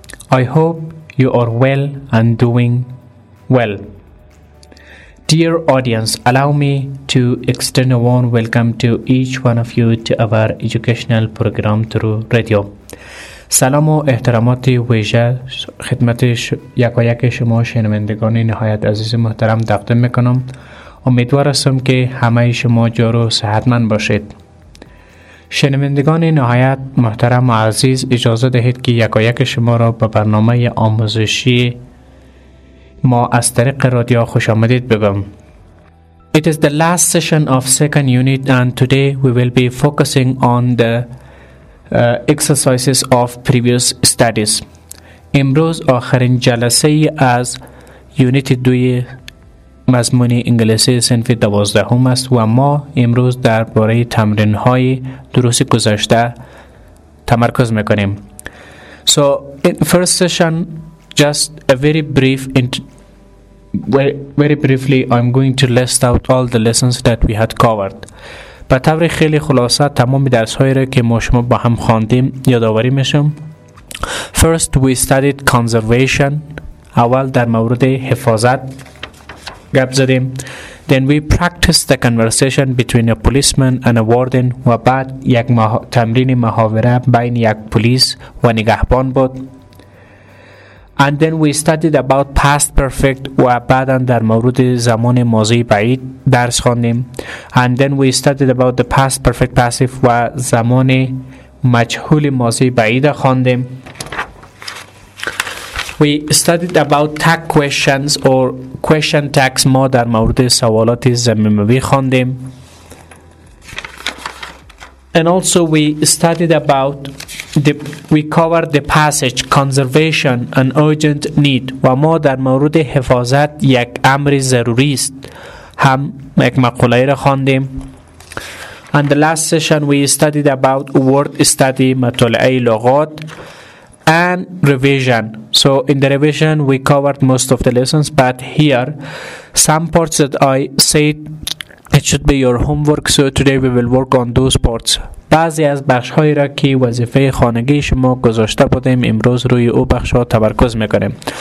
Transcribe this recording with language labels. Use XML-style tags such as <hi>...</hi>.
<en>I hope you are well and doing well. Dear audience, allow me to extend a warm welcome to each one of you to our educational program through radio.</en> <fa>سلام و احترامات ویژه خدمت یک و یک شما شنوندگان نهایت عزیز محترم تقدیم میکنم. امیدوار هستم که همه شما جارو صحتمند باشید. شنوندگان نهایت محترم و عزیز اجازه دهید که یک و یک شما را به برنامه آموزشی ما از طریق رادیو خوش آمدید بگم.</fa> <en>It is the last session of second unit and today we will be focusing on the exercises of previous studies.</en> <fa>امروز آخرین جلسه ای از یونیت دوی مضمون انگلیسی صنف 12 هم است و ما امروز درباره تمرین های دروس گذشته تمرکز میکنیم.</fa> <en>So in first session, just a very brief very briefly I'm going to list out all the lessons that we had covered.</en> <fa>به طور خیلی خلاصه تمام درس هایی را که ما شما با هم خواندیم یادآوری میشم.</fa> <en>First we studied conservation.</en> <fa>اول در مورد حفاظت گپ زدیم.</fa> <en>Then we practiced the conversation between a policeman and a warden.</en> <fa>و بعد یک تمرین محاوره بین یک پلیس و نگهبان بود.</fa> <en>And then we studied about past perfect</en> <fa>و بعدا در مورد زمان ماضی بعید درس خواندیم.</fa> <en>And then we studied about the past perfect passive</en> <fa>و زمان مجهول ماضی بعید خواندیم.</fa> <en>We studied about tag questions or question tags.</en> <fa>ما در مورد سوالات ضمیموی خواندیم.</fa> <en>And also we studied about we covered the passage conservation an urgent need</en> <fa>و ما در مورد حفاظت یک امر ضروری است هم یک مقوله را خواندیم.</fa> <en>And the last session we studied about word study</en> <fa>مطالعه لغات</fa> <en>and revision. So in the revision we covered most of the lessons, but here some parts that I said it should be your homework, so today we will work on those parts.</en> <fa>بعضی از بخش هایی را که وظیفه خانگی شما گذاشته بودیم امروز روی او بخش ها تمرکز میکنیم.</fa>